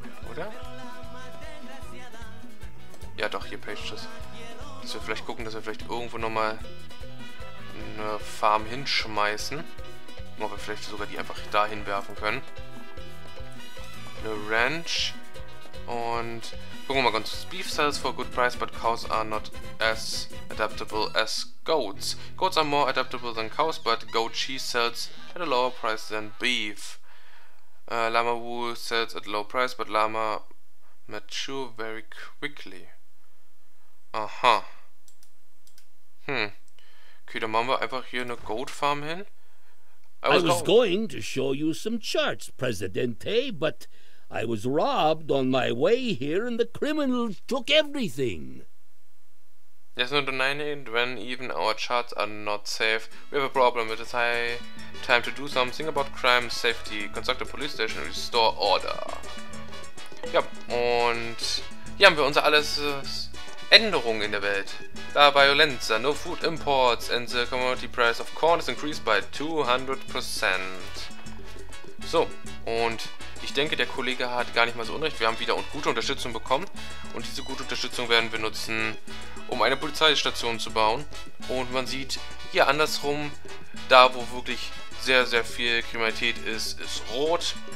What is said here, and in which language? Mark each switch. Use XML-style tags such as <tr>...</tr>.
<de>Oder? Ja doch, hier Pages. Dass wir vielleicht gucken, dass wir vielleicht irgendwo nochmal eine Farm hinschmeißen. Ob wir vielleicht sogar die einfach da hinwerfen können. Eine Ranch. Und gucken wir mal ganz kurz.</de> <en>Beef sells for a good price, but cows are not as adaptable as goats. Goats are more adaptable than cows, but goat cheese sells at a lower price than beef. Llama wool sells at low price, but llama mature very quickly. Aha.</en> <de>Okay, dann machen wir einfach hier eine Goat Farm hin.</de> <en>I was going to show you some charts, Presidente, but I was robbed on my way here and the criminals took everything. There's no denying when even our charts are not safe. We have a problem with this. Time to do something about crime safety. Construct a police station, restore order.</en> <de>Ja, und hier haben wir unser alles Änderungen in der Welt.</de> <en>Da Violenza, no food imports and the commodity price of corn is increased by 200%.</en> <de>So, und ich denke, der Kollege hat gar nicht mal so unrecht. Wir haben wieder gute Unterstützung bekommen. Und diese gute Unterstützung werden wir nutzen, um eine Polizeistation zu bauen. Und man sieht hier andersrum, da wo wirklich sehr, sehr viel Kriminalität ist, ist rot.</de>